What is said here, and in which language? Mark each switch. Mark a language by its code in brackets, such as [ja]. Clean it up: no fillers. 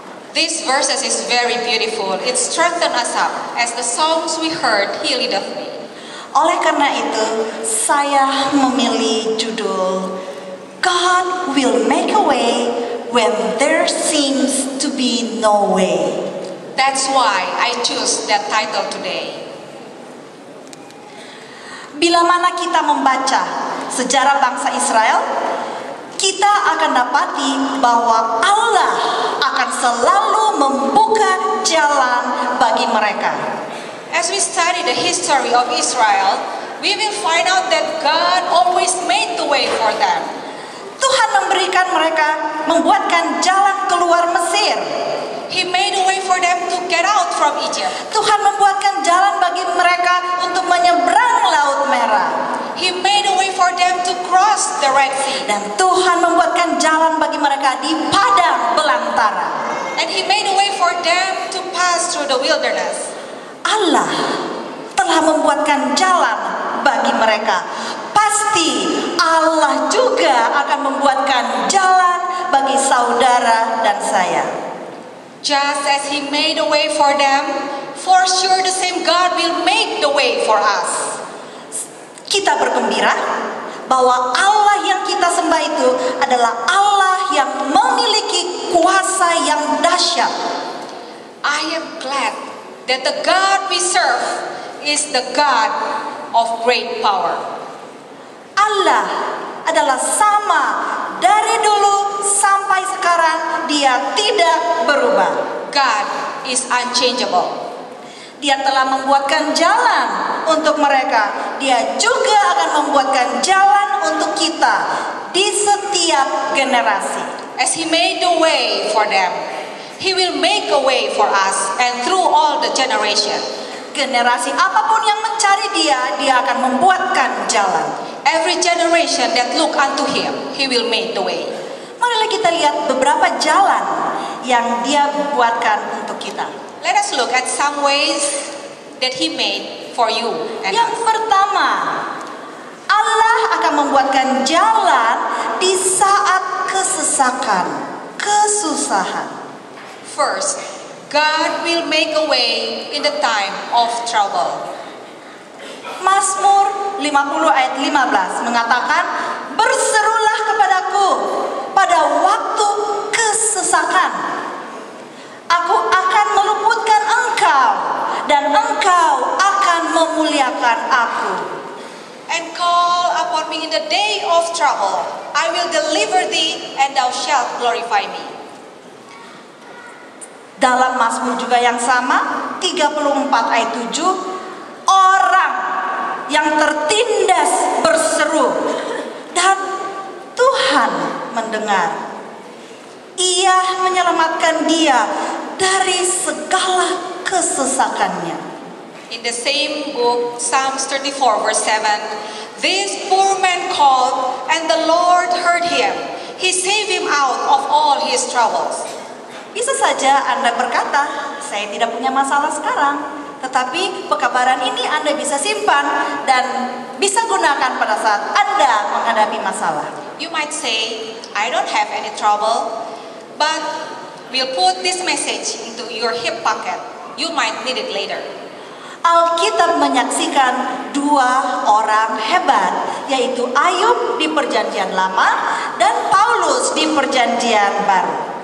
[en] These verses is very beautiful. It strengthen us up as the songs we heard, He leadeth me. [id] Oleh karena itu, saya memilih judul [en] God will make a way when there seems to be no way. That's why I choose that title today. [id] Bila mana kita membaca sejarah bangsa Israel, kita akan dapati bahwa Allah akan selalu membuka jalan bagi mereka. [en] As we study the history of Israel, we will find out that God always made the way for them. [id] Tuhan memberikan mereka, membuatkan jalan keluar Mesir. [en] He made a way for them to get out from Egypt. [id] Tuhan membuatkan jalan bagi mereka untuk menyeberang Laut Merah. [en] He made a way for them to cross the Red Sea. [id] Dan Tuhan membuatkan jalan bagi mereka di padang belantara. [en] And he made a way for them to pass through the wilderness. [id] Allah telah membuatkan jalan bagi mereka. Pasti Allah juga akan membuatkan jalan bagi saudara dan saya. [en] Just as he made a way for them, for sure the same God will make the way for us. [id] Kita bergembira bahwa Allah yang kita sembah itu adalah Allah yang memiliki kuasa yang dahsyat. [en] I am glad that the God we serve is the God of great power. [id] Allah adalah sama dari dulu sampai sekarang, dia tidak berubah. [en] God is unchangeable. [id] Dia telah membuatkan jalan untuk mereka, dia juga akan membuatkan jalan untuk kita di setiap generasi. [en] As he made the way for them, he will make a way for us and through all the generation. [id] Generasi apapun yang mencari dia, dia akan membuatkan jalan. [en] Every generation that look unto him, he will make the way. [id] Marilah kita lihat beberapa jalan yang dia buatkan untuk kita. [en] Let us look at some ways that he made for you. [id] Yang pertama, Allah akan membuatkan jalan di saat kesesakan, kesusahan. [en] First, God will make a way in the time of trouble. [id] Mazmur 50 ayat 15 mengatakan, berserulah kepadaku pada waktu kesesakan. Aku akan meluputkan engkau dan engkau akan memuliakan aku. [en] And call upon me in the day of trouble. I will deliver thee and thou shalt glorify me. [id] Dalam Mazmur juga yang sama, 34 ayat 7, orang yang tertindas berseru dan Tuhan mendengar. Ia menyelamatkan dia dari segala kesesakannya. [en] In the same book, Psalms 34 verse 7, this poor man called and the Lord heard him. He saved him out of all his troubles. [id] Bisa saja Anda berkata, saya tidak punya masalah sekarang. Tetapi pekabaran ini Anda bisa simpan dan bisa gunakan pada saat Anda menghadapi masalah. [en] You might say, I don't have any trouble, but we'll put this message into your hip pocket. You might need it later. [id] Alkitab menyaksikan dua orang hebat, yaitu Ayub di Perjanjian Lama dan Paulus di Perjanjian Baru.